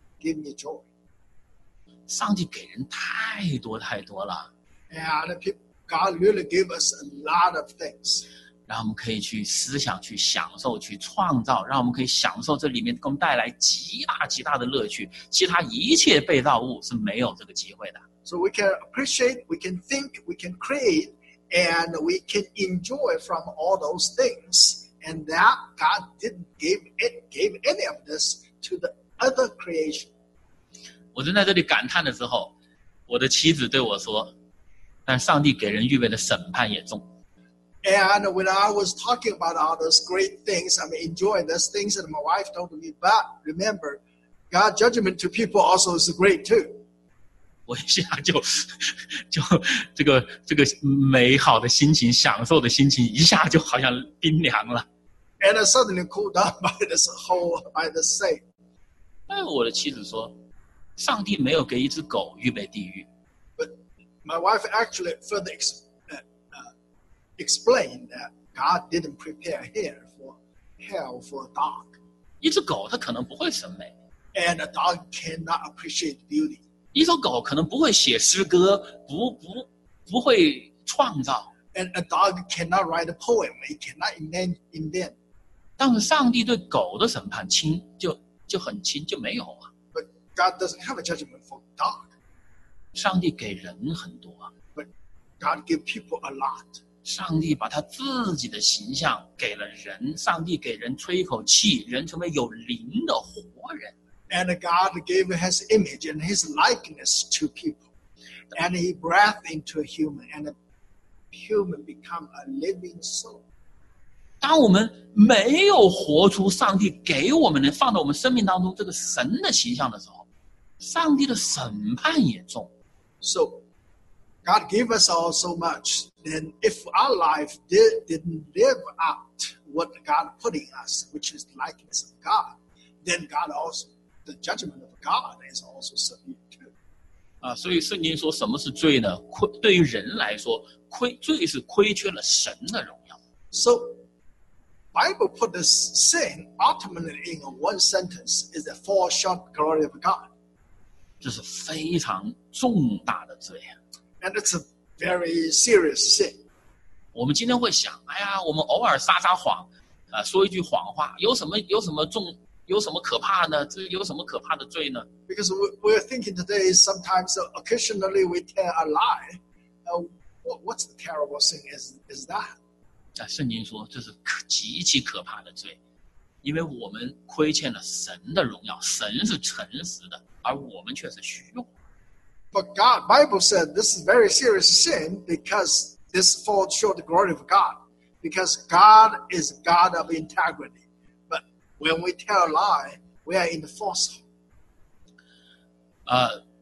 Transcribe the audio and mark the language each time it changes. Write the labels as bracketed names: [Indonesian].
[English] Give me joy. [Chinese] 上帝给人太多太多了。 [English] And God really gave us a lot of things. [Chinese] 让我们可以去思想，去享受，去创造，让我们可以享受这里面给我们带来极大极大的乐趣，其他一切被造物是没有这个机会的。 [English] So we can appreciate, we can think, we can create, and we can enjoy from all those things, and that God didn't gave any of this to the other creation. [Chinese] 我正在这里感叹的时候，我的妻子对我说，但上帝给人预备的审判也重。 [English] And when I was talking about all those great things, I'm enjoying those things, and my wife told me, but remember, God's judgment to people also is great too. [Chinese] 我一下就这个美好的心情，享受的心情一下就好像冰凉了。 [English] And I suddenly cooled down by the same. [Chinese] 我的妻子说，上帝没有给一只狗预备地狱。 [English] But my wife actually further explained that God didn't prepare hell for a dog. [Chinese] 一只狗它可能不会审美。 [English] And a dog cannot appreciate beauty. [Chinese] 一只狗可能不会写诗歌，不会创造。 [English] And a dog cannot write a poem. It cannot invent. [Chinese] 但是上帝对狗的审判轻，就很轻，就没有啊。 [English] But God doesn't have a judgment for dog. [Chinese] 上帝给人很多啊。 [English] But God give people a lot. [Chinese] 上帝把他自己的形象给了人，上帝给人吹一口气，人成为有灵的活人。 [English] And God gave his image and his likeness to people. And he breathed into a human, and a human become a living soul. [Chinese] 当我们没有活出上帝给我们的，放到我们生命当中这个神的形象的时候，上帝的审判也重。 [English] So, God gave us all so much, then if our life didn't live out what God put in us, which is the likeness of God, then God also,The judgment of God is also severe too. [Chinese] 所以圣经说什么是罪呢？对于人来说，罪是亏缺了神的荣耀。 [English] So, Bible put the sin ultimately in one sentence is a fall short glory of God. [Chinese] 这是非常重大的罪。 [English] And it's a very serious sin. [Chinese] 我们今天会想，哎呀，我们偶尔撒撒谎，说一句谎话，有什么重？有什么可怕呢？这有什么可怕的罪呢？ [English] Because we are thinking today, sometimes occasionally we tell a lie. What's the terrible thing is that? [Chinese] 在圣经说这是极其可怕的罪，因为我们亏欠了神的荣耀，神是诚实的，而我们却是虚荣。 [English] But God, Bible said this is very serious sin because this falls short the glory of God. Because God is God of integrity. When we tell a lie, we are in the falsehood.